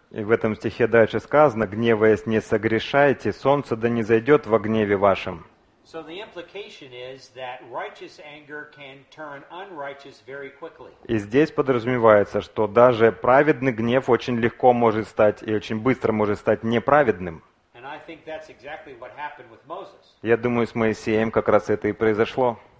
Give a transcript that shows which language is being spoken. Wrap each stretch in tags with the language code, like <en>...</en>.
<ru>И в этом стихе дальше сказано: гневаясь, не согрешайте, солнце да не зайдет во гневе вашем.</ru> <en>So the implication is that righteous anger can turn unrighteous very quickly.</en> <ru>И здесь подразумевается, что даже праведный гнев очень легко может стать и очень быстро может стать неправедным.</ru> <en>And I think that's exactly what happened with Moses.</en> <ru>Я думаю, с Моисеем как раз это и произошло.</ru>